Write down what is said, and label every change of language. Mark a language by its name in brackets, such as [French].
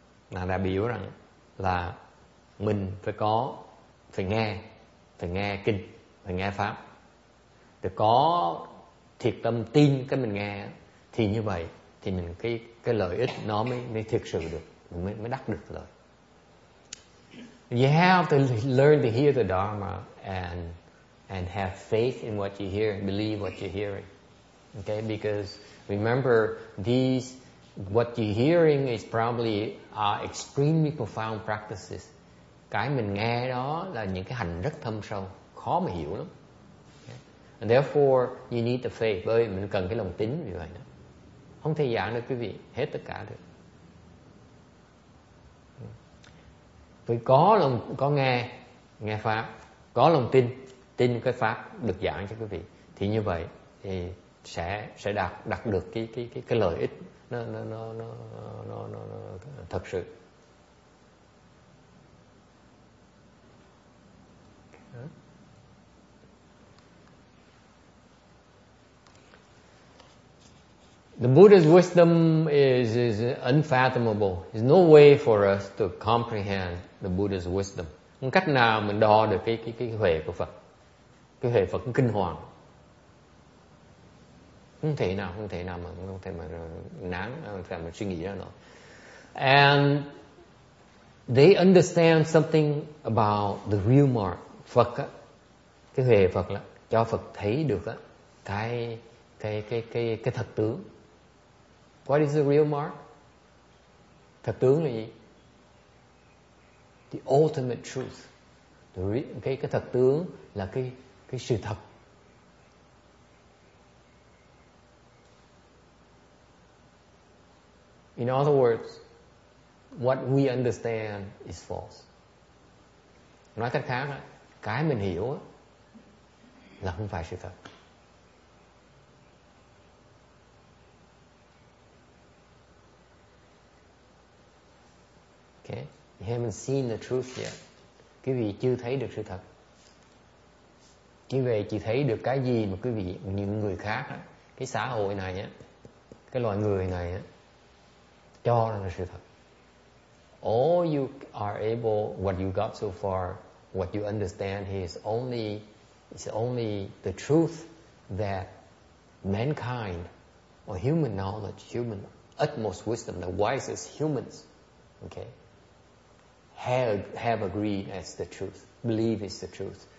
[Vietnamese] Ngài đại biểu rằng là mình phải có, phải nghe kinh, phải nghe pháp. Để có thiệt tâm tin cái mình nghe thì như vậy thì mình cái lợi ích nó mới thực sự được, mới đắc được lợi. [English] You have to learn to hear the Dharma and have faith in what you hear and believe what you're hearing. Okay, because remember these, what you're hearing is probably are extremely profound practices. [Vietnamese] Cái mình nghe đó là những cái hành rất thâm sâu, khó mà hiểu lắm. [English] And therefore you need the faith. [Vietnamese] Bởi mình cần cái lòng tín vì vậy đó. Không thể giảng được quý vị hết tất cả được. Phải có lòng, có nghe pháp, có lòng tin, tin cái pháp được giảng cho quý vị, thì như vậy thì sẽ đạt được cái lợi ích nó thật sự. [English] The Buddha's wisdom is unfathomable. There's no way for us to comprehend the Buddha's wisdom. [Vietnamese] Không cách nào mình đo được cái huệ của Phật. Cái huệ Phật kinh hoàng. Không thể nào mà suy nghĩ ra nổi. [English] And they understand something about the real mark. [Vietnamese] Phật á, cái huệ Phật là cho Phật thấy được á cái thật tướng. [English] What is the real mark? [Vietnamese] Thật tướng là gì? [English] The ultimate truth. [Vietnamese] Cái thật tướng là cái sự thật. [English] In other words, what we understand is false. [Vietnamese] Nói cách khác, cái mình hiểu là không phải sự thật. [English] Okay. You haven't seen the truth yet. [Vietnamese] Quý vị chưa thấy được sự thật. Quý vị chỉ thấy được cái gì mà quý vị, những người khác, cái xã hội này, cái loài người này cho là sự thật. [English] All you are able, what you got so far, what you understand here is only the truth that mankind or human knowledge, human utmost wisdom, the wisest humans, okay, have agreed as the truth, believe is the truth.